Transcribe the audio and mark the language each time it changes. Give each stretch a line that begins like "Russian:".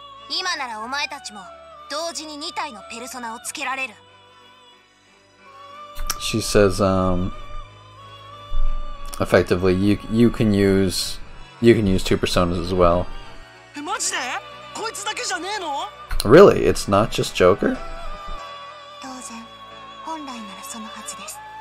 Japanese: 今ならお前たちも同時に2体のペルソナをつけられる。
English: She says, effectively, you can use two personas as well.
Japanese: え、マジで? こいつだけじゃねえの?
English: Really? It's not just Joker?
Japanese: 当然、本来ならそのはずです。